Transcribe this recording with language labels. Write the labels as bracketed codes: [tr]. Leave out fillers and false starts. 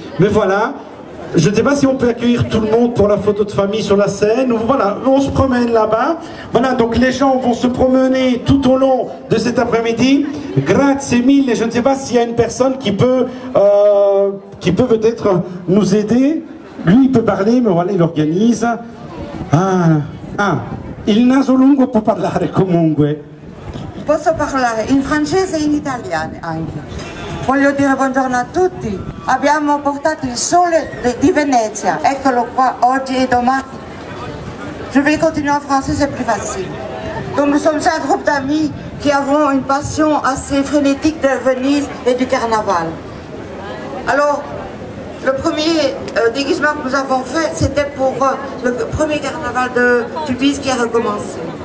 [fr] Mais voilà, je ne sais pas si on peut accueillir tout le monde pour la photo de famille sur la scène. Voilà, on se promène là-bas. Voilà, donc les gens vont se promener tout au long de cet après-midi. [it] Grazie mille, [fr] et je ne sais pas s'il y a une personne qui peut peut-être nous aider. Lui, il peut parler, mais voilà, il organise. [it] Ah, il naso lungo può parlare comunque. Posso parlare in francese e in italiano anche. Voglio dire buongiorno a tutti. Abbiamo portato il sole di Venezia. Eccolo qua, oggi e domani. [fr] Je vais continuer en français, c'est plus facile. Donc nous sommes un groupe d'amis qui avons une passion assez frénétique de Venise et du carnaval. Alors, le premier déguisement que nous avons fait, c'était pour le premier carnaval de Tubize qui a recommencé.